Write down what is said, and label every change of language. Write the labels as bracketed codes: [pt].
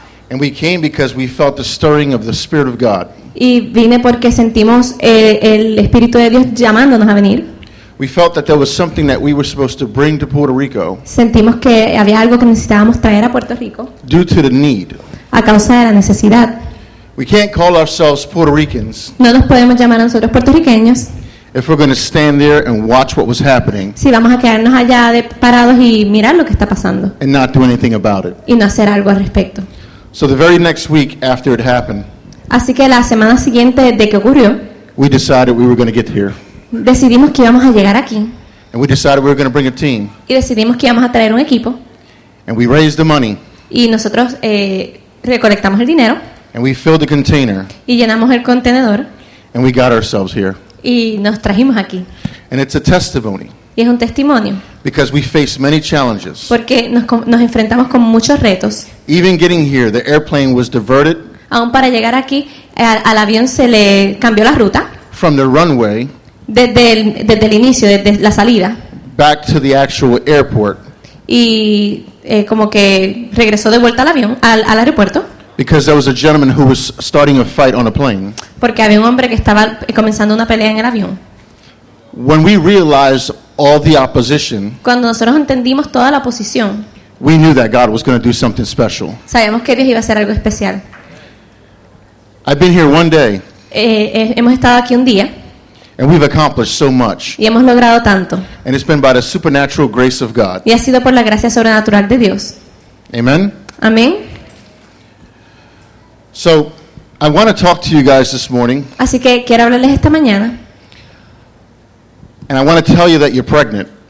[en] And we came because we felt the stirring of the Spirit of God. [es] Y vine porque sentimos el Espíritu de Dios llamándonos a venir. [en] We felt that there was something that we were supposed to bring to Puerto Rico. [es] Sentimos que había algo que necesitábamos traer a Puerto Rico. [en] Due to the need. [es] A causa de la necesidad. [en] We can't call ourselves Puerto Ricans. [es] No nos podemos llamar a nosotros puertorriqueños. [en] If we're going to stand there and watch what was happening. [es] Si vamos a quedarnos allá de parados y mirar lo que está pasando. [en] And not do anything about it. [es] Y no hacer algo al respecto. [en] So the very next week after it happened. [es] Así que la semana siguiente de que ocurrió. [en] We decided we were going to get here. [es] Decidimos que íbamos a llegar aquí. [en] And we decided we were going to bring a team. [es] Y decidimos que íbamos a traer un equipo. [en] And we raised the money. [es] Y nosotros recolectamos el dinero. [en] And we filled the container. [es] Y llenamos el contenedor. [en] And we got ourselves here. [es] Y nos trajimos aquí. [en] And it's a testimony. [es] Y es un testimonio. [en] Because we face many challenges. [es] Porque nos enfrentamos con muchos retos. [en] Even getting here, the airplane was diverted. [es] Aún para llegar aquí, al avión se le cambió la ruta. [en] From the runway. [es] Desde el inicio, desde la salida. [en] Back to the actual airport. [es] Y como que regresó de vuelta al avión, al aeropuerto. [en] Because there was a gentleman who was starting a fight on a plane. [es] Porque había un hombre que estaba comenzando una pelea en el avión. [en] When we realized all the opposition. [es] Cuando nosotros entendimos toda la oposición. [en] We knew that God was going to do something special. [es] Sabíamos que Dios iba a hacer algo especial. [en] I've been here one day. [es] Hemos estado aquí un día. [en] And we've accomplished so much. [es] Y hemos logrado tanto. [en] And it's been by the supernatural grace of God. [es] Y ha sido por la gracia sobrenatural de Dios. [en] Amen. [es] Amén. [en] So, I want to talk to you guys this morning. [es] Así que quiero hablarles esta mañana. [en] And I want to tell you that you're pregnant.